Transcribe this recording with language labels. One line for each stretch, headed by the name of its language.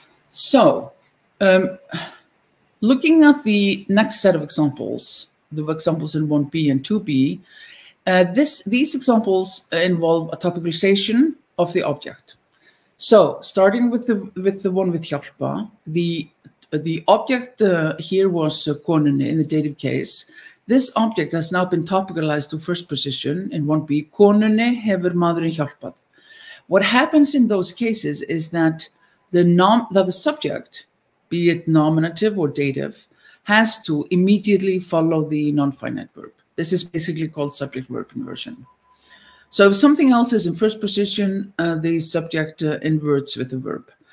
English: So, looking at the next set of examples, the examples in 1b and 2b, these examples involve a topicalization of the object. So, starting with the one with hjálpa, the object here was konunni in the dative case. This object has now been topicalized to first position in 1b.
Icelandic: Konunni hefur maðurinn hjálpað.
English: What happens in those cases is that the subject, be it nominative or dative, has to immediately follow the non-finite verb. This is basically called subject-verb inversion. So if something else is in first position, the subject inverts with the verb.